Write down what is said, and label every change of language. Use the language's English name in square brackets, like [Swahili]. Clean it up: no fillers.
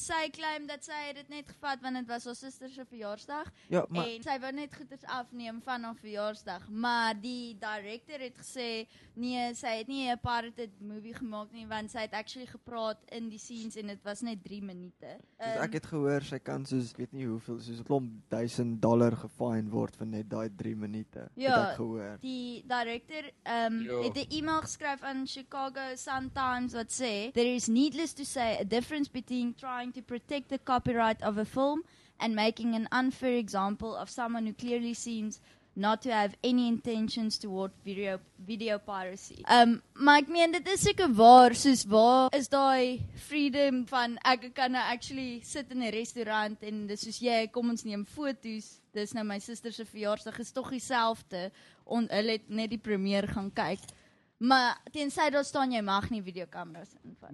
[Afrikaans] Sy claim dat sy het dit net gevat want dit was haar suster se verjaarsdag en sy wou net goeders afneem van haar verjaarsdag, maar die director het gesê nee, sy het nie 'n pirated movie gemaak nie want sy het actually gepraat in die scenes en dit was net 3 minute. Ek het gehoor sy kan soos ek weet nie hoeveel soos 'n klomp $1000 gefine word vir net daai 3 minute. Ja, het ek gehoor. Die director het 'n e-mail geskryf aan Chicago Sun Times wat sê, [English] there is needless to say a difference between trying to protect the copyright of a film and making an unfair example of someone who clearly seems not to have any intentions toward video piracy. [Afrikaans] Maar ek meen, dit is seker waar, soos waar is die freedom van ek kan nou actually sit in 'n restaurant en dis soos jy, kom ons neem foto's. Dis nou my suster se verjaarsdag, is tog dieselfde. Hulle het net die premier gaan kyk. Maar tensy daar staan, jy mag nie videokameras invat.